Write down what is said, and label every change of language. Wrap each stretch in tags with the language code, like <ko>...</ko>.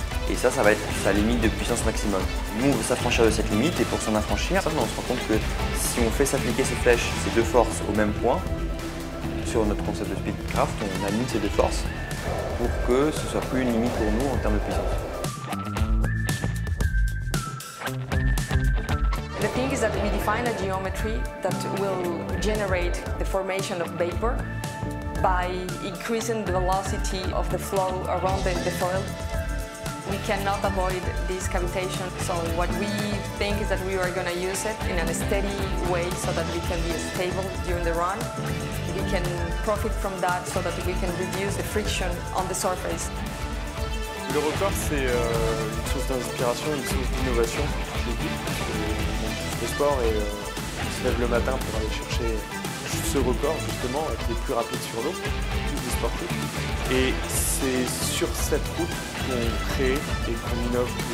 <fr>Et ça va être sa limite de puissance maximum. Nous, on veut s'affranchir de cette limite, et pour s'en affranchir, on se rend compte que si on fait s'appliquer ces flèches, ces deux forces au même point, sur notre concept de speedcraft, on aligne ces deux forces pour que ce ne soit plus une limite pour nous en termes de puissance.</fr> <en>The thing is that we define a geometry that will generate the formation of vapor by increasing the velocity of the flow around the foil. We cannot avoid this cavitation, so what we think is that we are going to use it in a steady way so that we can be stable during the run. We can profit from that so that we can reduce the friction on the surface.</en> <fr>Le record, c'est une source d'inspiration, une source d'innovation pour toute l'équipe. Le sport et on se lève le matin pour aller chercher ce record, justement, être les plus rapides sur l'eau, tous les sportifs. Et c'est sur cette route qu'on crée et qu'on innove.</fr>